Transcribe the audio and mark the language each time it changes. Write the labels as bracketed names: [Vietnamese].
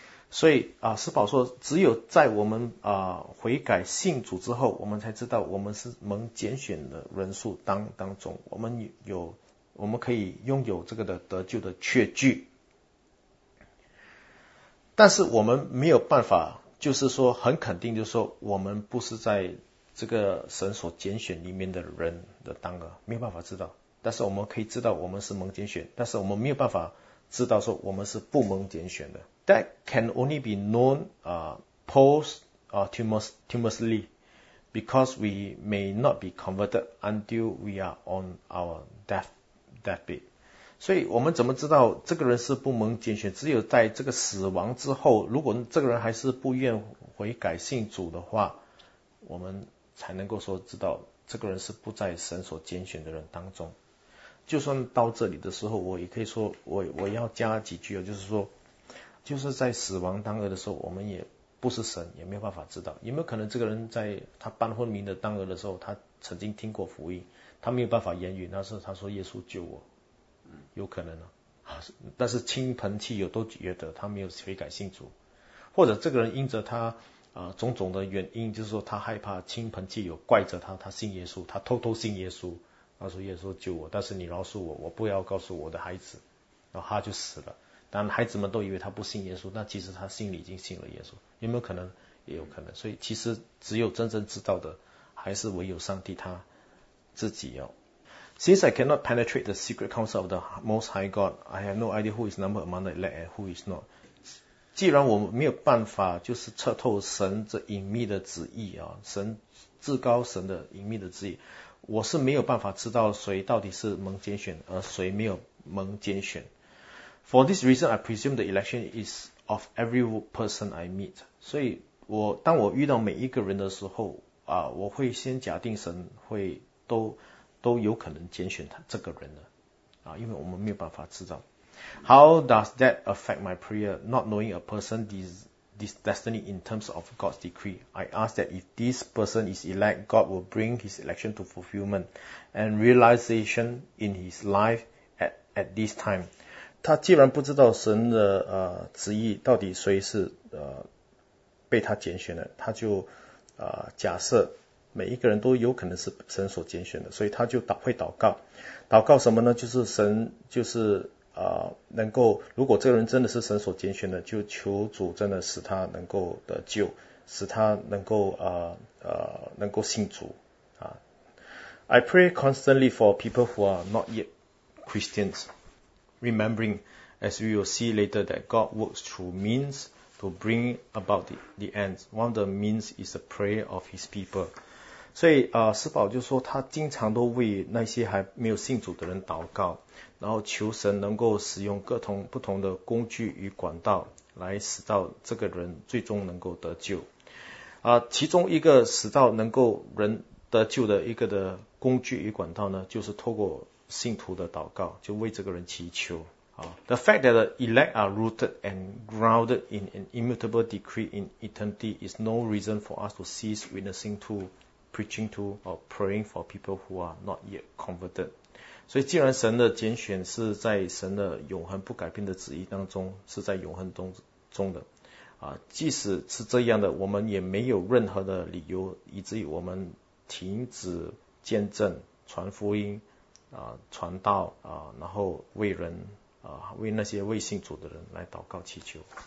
[Chinese] 所以啊，施宝说，只有在我们啊悔改信主之后，我们才知道我们是蒙拣选的人数当中，我们有，我们可以拥有这个的得救的确据。但是我们没有办法，就是说很肯定，就是说我们不是在这个神所拣选里面的人的当儿，没有办法知道。但是我们可以知道我们是蒙拣选，但是我们没有办法知道说我们是不蒙拣选的。 [English] That can only be known posthumously, because we may not be converted until we are on our deathbed. [Chinese] 所以我们怎么知道这个人是不蒙拣选？只有在这个死亡之后，如果这个人还是不愿悔改信主的话，我们才能够说知道这个人是不在神所拣选的人当中。就算到这里的时候，我也可以说我要加几句，就是说，就是在死亡当儿的时候，我们也不是神，也没有办法知道有没有可能这个人在他半昏迷的当儿的时候，他曾经听过福音，他没有办法言语，那时候他说耶稣救我，有可能啊，但是亲朋戚友都觉得他没有悔改信主，或者这个人因着他种种的原因，就是说他害怕亲朋戚友怪着他，他信耶稣，他偷偷信耶稣。他说耶稣救我，但是你饶恕我，我不要告诉我的孩子，然后他就死了。但孩子们都以为他不信耶稣，那其实他心里已经信了耶稣，有没有可能？也有可能。所以其实只有真正知道的还是唯有上帝他自己哦。 [English] Since I cannot penetrate the secret counsel of the Most High God, I have no idea who is numbered among the elect and who is not. [Chinese] 既然我没有办法就是彻透神这隐秘的旨意啊，神至高神的隐秘的旨意，我是没有办法知道谁到底是蒙拣选，而谁没有蒙拣选。 [English] For this reason, I presume the election is of every person I meet. [Chinese] 所以我当我遇到每一个人的时候啊，我会先假定神会都有可能拣选他这个人的啊，因为我们没有办法知道。 [English] How does that affect my prayer? Not knowing a person this destiny in terms of God's decree, I ask that if this person is elect, God will bring his election to fulfillment and realization in his life at this time. [Chinese] 他既然不知道神的旨意到底谁是被他拣选的，他就假设每一个人都有可能是神所拣选的，所以他就会祷告。祷告什么呢？就是神就是能够，如果这个人真的是神所拣选的，就求主真的使他能够得救，使他能够信主啊。 [English] I pray constantly for people who are not yet Christians, remembering, as we will see later, that God works through means to bring about the end. One of the means is the prayer of His people. [Chinese] 所以施宝就说他经常都为那些还没有信主的人祷告，然后求神能够使用各种不同的工具与管道来使到这个人最终能够得救。其中一个使到能够人得救的一个的工具与管道呢，就是透过信徒的祷告，就为这个人祈求。 [English] The fact that the elect are rooted and grounded in an immutable decree in eternity is no reason for us to cease witnessing toPreaching to or praying for people who are not yet converted. [Chinese] 所以既然神的拣选是在神的永恒不改变的旨意当中，是在永恒中的即使是这样的，我们也没有任何的理由以至于我们停止见证传福音传道然后为人为那些未信主的人来祷告祈求。